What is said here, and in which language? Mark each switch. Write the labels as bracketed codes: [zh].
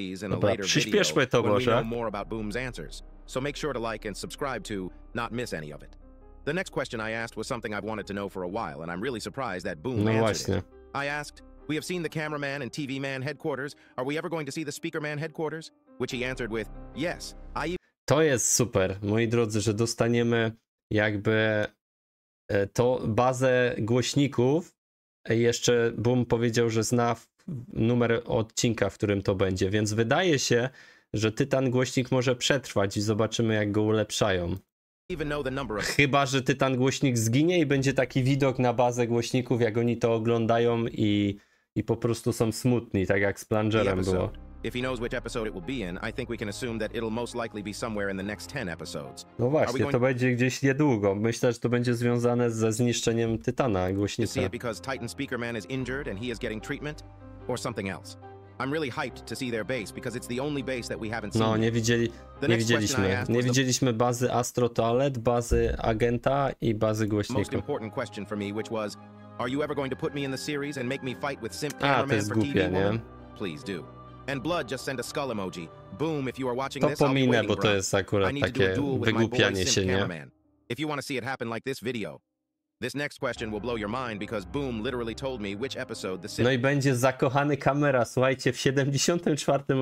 [pl] Dobra, przyspieszmy to może. [en] So make sure to like and subscribe to not miss any of it. The next question I asked was something I've wanted to know for a while, and I'm really surprised that Boom answered it. I asked, we have seen the cameraman and TV man headquarters. Are we ever going to see the speaker man headquarters? Which he answered with, yes. [pl] To jest super, moi drodzy, że dostaniemy jakby to bazę głośników. Jeszcze Boom powiedział, że zna numer odcinka, w którym to będzie, więc wydaje się, że Tytan głośnik może przetrwać i zobaczymy, jak go ulepszają. Chyba, że Tytan głośnik zginie i będzie taki widok na bazę głośników, jak oni to oglądają i po prostu są smutni, tak jak z Plungerem było. [en] If he knows which episode it will be in, I think we can assume that it'll most likely be somewhere in the next 10 episodes. [pl] No właśnie, to będzie gdzieś niedługo. Myślę, że to będzie związane ze zniszczeniem Tytana głośnika. [en] See it because Titan Speaker Man is injured and he is getting treatment or something else. I'm really hyped to see their base because it's the only base that we haven't seen. [pl] No, nie widzieliśmy bazy Astro Toilet, bazy agenta i bazy głośnika. [en] Most important question for me, which was, are you ever going to put me in the series and make me fight with Simp Cameraman for TV Woman? Please do. And Blood just sent a skull emoji. Boom, if you are watching this, I'll be waiting, bro. [pl] To pominę, bo to jest akurat takie wygłupianie się, nie? [en] If you want to see it happen like this video. This next question will blow your mind because Boom literally told me which episode the Simp. [pl] No i będzie zakochany kamera, słuchajcie, w 74.